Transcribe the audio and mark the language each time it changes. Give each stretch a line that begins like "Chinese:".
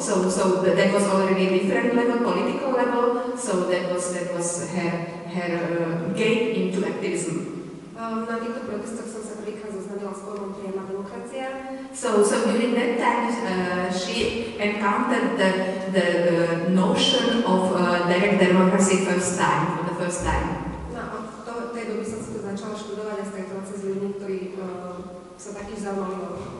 English: So that was already a different level, political level. So that was her gain into activism.
Slovak: Na týchto protestoch som sa prvýkrát zoznámila s pojmom Priama demokracia.
English: So during that time she encountered the notion of direct democracy for the first time.
Slovak: No, od tej doby som si to začala študovať a stretla sa s ľuďmi, ktorí sa takým zaujímavým